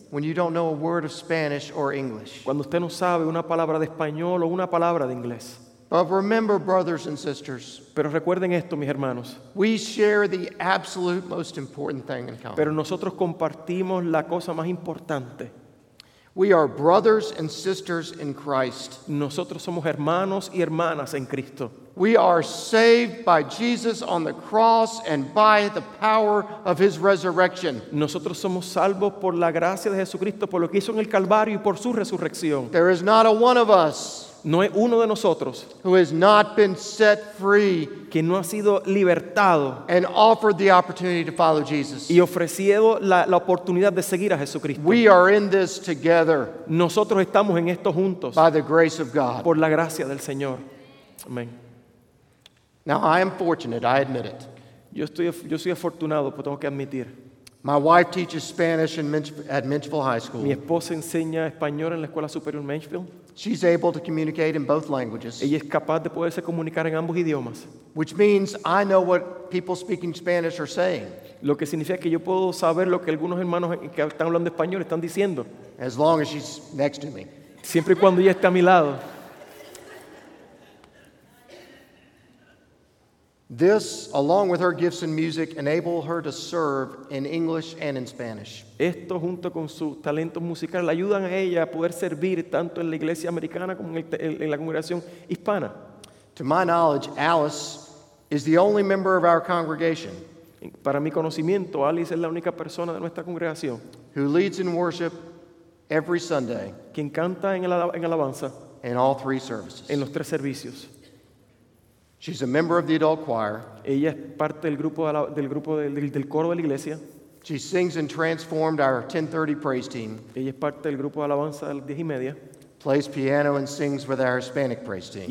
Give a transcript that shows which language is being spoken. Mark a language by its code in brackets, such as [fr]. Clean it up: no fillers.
[en] When you don't know a word of Spanish or English. [es] Cuando usted no sabe una palabra de español o una palabra de inglés. [en] But remember, brothers and sisters. [es] Pero recuerden esto, mis hermanos. [en] We share the absolute most important thing in common. [es] Pero nosotros compartimos la cosa más importante. [en] We are brothers and sisters in Christ. [es] Nosotros somos hermanos y hermanas en Cristo. [en] We are saved by Jesus on the cross and by the power of his resurrection. [es] Nosotros somos salvos por la gracia de Jesucristo, por lo que hizo en el Calvario y por su resurrección. [en] There is not a one of us, [es] no hay uno de nosotros, [en] who has not been set free, [es] que no ha sido libertado, [en] and offered the opportunity to follow Jesus. [es] Y ofrecido la oportunidad de seguir a Jesucristo. [en] We are in this together. [es] Nosotros estamos en esto juntos. [en] By the grace of God. [es] Por la gracia del Señor. Amen. [en] Now I am fortunate, I admit it. [es] Yo soy afortunado, pero tengo que admitir. [en] My wife teaches Spanish at Menchville High School. [es] Mi esposa enseña español en la escuela superior Menchville. [en] She's able to communicate in both languages. [es] Ella es capaz de poderse comunicar en ambos idiomas. [en] Which means I know what people speaking Spanish are saying. [es] Lo que significa que yo puedo saber lo que algunos hermanos que están hablando español están diciendo. [en] As long as she's next to me. [es] Siempre y cuando ella esté a mi lado. [en] This, along with her gifts in music, enable her to serve in English and in Spanish. [es] Esto junto con su talento musical le ayudan a ella a poder servir tanto en la iglesia americana como en la congregación hispana. [en] To my knowledge, Alice is the only member of our congregation. [es] Para mi conocimiento, Alice es la única persona de nuestra congregación [en] who leads in worship every Sunday. [es] Quien canta en alabanza [en] in all three services. [es] En los tres servicios. [en] She's a member of the adult choir. [es] Ella es parte del coro de la iglesia. [en] She sings and transformed our 10:30 praise team. [es] Ella es parte del grupo de alabanza del 10 y media. [en] Plays piano and sings with our Hispanic praise team.